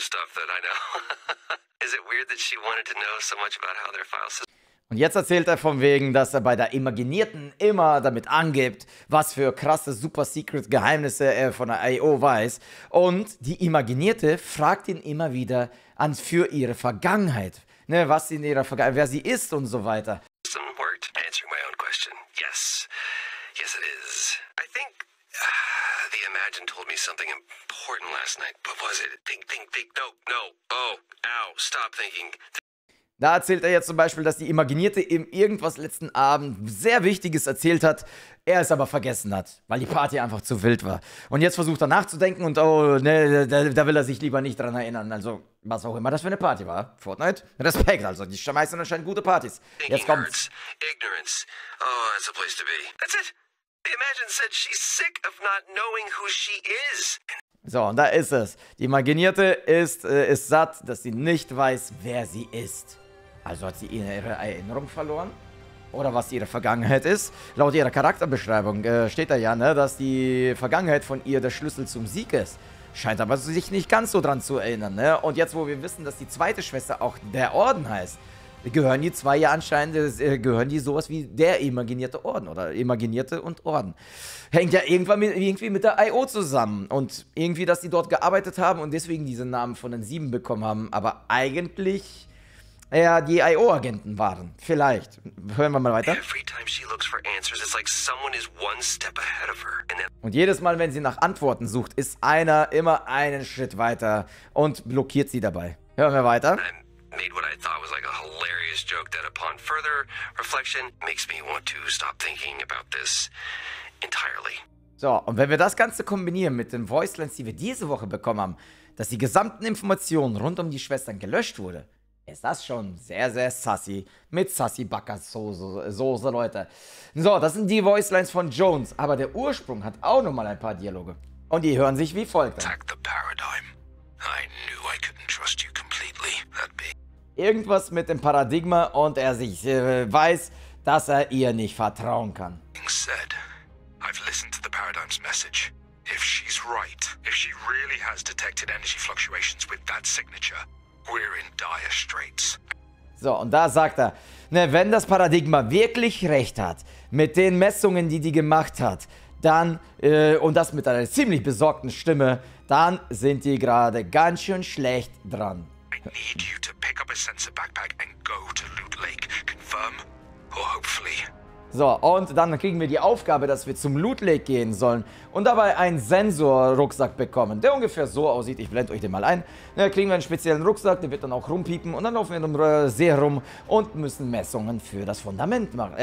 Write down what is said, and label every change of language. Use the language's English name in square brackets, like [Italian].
[English] stuff that I know. Is it weird that she wanted to know so much about how their files... [German] Und jetzt erzählt er von wegen, dass er bei der Imaginierten immer damit angibt, was für krasse Super-Secret-Geheimnisse er von der I.O. weiß. Und die Imaginierte fragt ihn immer wieder an für ihre Vergangenheit. Ne, was in ihrer Vergangenheit, wer sie ist und so weiter. Das funktioniert, [English] answering my own question. Yes. Yes, it is. I think the Imagine told me something important last night. What was it? Think. No, no. Oh, ow. Stop thinking. [German] Da erzählt er jetzt zum Beispiel, dass die Imaginierte ihm irgendwas letzten Abend sehr Wichtiges erzählt hat, er es aber vergessen hat, weil die Party einfach zu wild war. Und jetzt versucht er nachzudenken und oh, ne, da will er sich lieber nicht dran erinnern. Also, was auch immer das für eine Party war. Fortnite? Respekt, also, die schmeißen anscheinend gute Partys. Jetzt kommt's. Ignorance. [English] Oh, that's a place to be. That's it. The Imagine said she's sick of not knowing who she is. [German] So, und da ist es. Die Imaginierte ist satt, dass sie nicht weiß, wer sie ist. Also hat sie ihre Erinnerung verloren? Oder was ihre Vergangenheit ist? Laut ihrer Charakterbeschreibung steht da ja, ne, dass die Vergangenheit von ihr der Schlüssel zum Sieg ist. Scheint aber sich nicht ganz so dran zu erinnern. Ne? Und jetzt, wo wir wissen, dass die zweite Schwester auch der Orden heißt, gehören die zwei ja anscheinend, gehören die sowas wie der imaginierte Orden oder imaginierte und Orden. Hängt ja irgendwann irgendwie mit der I.O. zusammen und irgendwie, dass die dort gearbeitet haben und deswegen diesen Namen von den Sieben bekommen haben, aber eigentlich ja die I.O.-Agenten waren. Vielleicht. Hören wir mal weiter. [English] Every time she looks for answers, it's like someone is one step ahead of her. [German] Und jedes Mal, wenn sie nach Antworten sucht, ist einer immer einen Schritt weiter und blockiert sie dabei. Hören wir weiter. [English] Made what I thought was like a hilarious joke that upon further reflection makes me want to stop thinking about this entirely. [German] So, und wenn wir das Ganze kombinieren mit den Voicelines, die wir diese Woche bekommen haben, dass die gesamten Informationen rund um die Schwestern gelöscht wurde, ist das schon sehr, sehr sassy mit Sassy Backer Soße, Leute. So, das sind die Voicelines von Jones, aber der Ursprung hat auch nochmal ein paar Dialoge. Und die hören sich wie folgt. [English] Attack the paradigm. I knew I couldn't trust you completely. [German] Irgendwas mit dem Paradigma und er sich weiß, dass er ihr nicht vertrauen kann. [English] Said, I've listened to the paradigm's message. If she's right, if she really has detected energy fluctuations with that signature, we're in dire straits. [German] So, und da sagt er, ne, wenn das Paradigma wirklich recht hat mit den Messungen, die die gemacht hat, dann, und das mit einer ziemlich besorgten Stimme, dann sind die gerade ganz schön schlecht dran. [English] I need you to pick up a sensor backpack and go to Loot Lake. Confirm or hopefully. [German] So, und dann kriegen wir die Aufgabe, dass wir zum Loot Lake gehen sollen und dabei einen Sensor-Rucksack bekommen, der ungefähr so aussieht. Ich blende euch den mal ein. Da kriegen wir einen speziellen Rucksack, der wird dann auch rumpiepen und dann laufen wir in dem See rum und müssen Messungen für das Fundament machen.